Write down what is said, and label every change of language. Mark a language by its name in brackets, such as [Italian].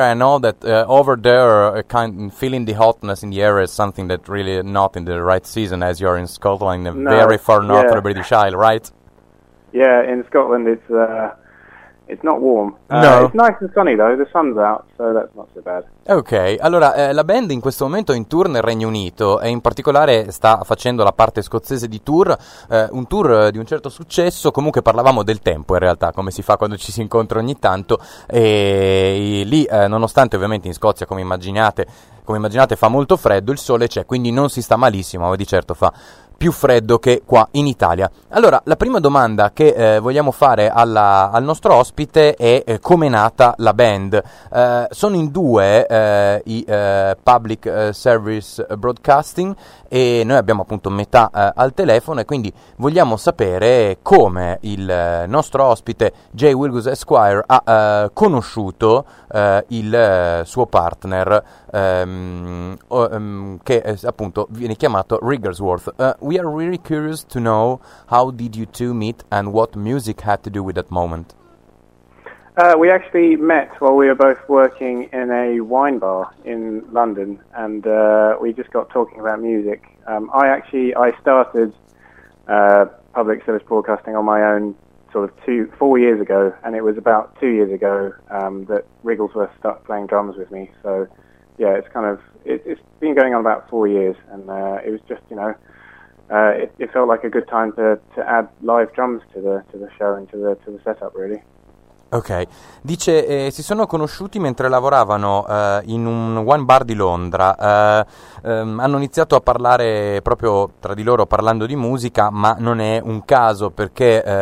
[English] I know that over there, kind of feeling the hotness in the air is something that really not in the right season, as you're in Scotland, very far north of the British Isle, right? Yeah, in Scotland it's not warm. No. It's nice and sunny though, the sun's out, so that's not so bad. [Italian] Ok, allora la band in questo momento è in tour nel Regno Unito e in particolare sta facendo la parte scozzese di tour, un tour di un certo successo. Comunque parlavamo del tempo in realtà, come si fa quando ci si incontra ogni tanto. E lì, nonostante ovviamente in Scozia, come immaginate, fa molto freddo, il sole c'è, quindi non si sta malissimo, ma di certo fa più freddo che qua in Italia. Allora, la prima domanda che vogliamo fare al nostro ospite è come è nata la band. Sono in due Public Service Broadcasting e noi abbiamo appunto metà al telefono e quindi vogliamo sapere come il nostro ospite Jay Wilgus Esquire ha conosciuto il suo partner che appunto viene chiamato Riggersworth. [English] We are really curious to know how did you two meet and what music had to do with that moment. We actually met while we were both working in a wine bar in London, and we just got talking about music. I started public service broadcasting on my own sort of 4 years ago, and it was about 2 years ago that Rigglesworth started playing drums with me. So, yeah, it's been going on about 4 years, and it was just, it felt like a good time to add live drums to the show and to the setup, really. [Italian] Ok, dice si sono conosciuti mentre lavoravano in un wine bar di Londra, hanno iniziato a parlare proprio tra di loro parlando di musica, ma non è un caso perché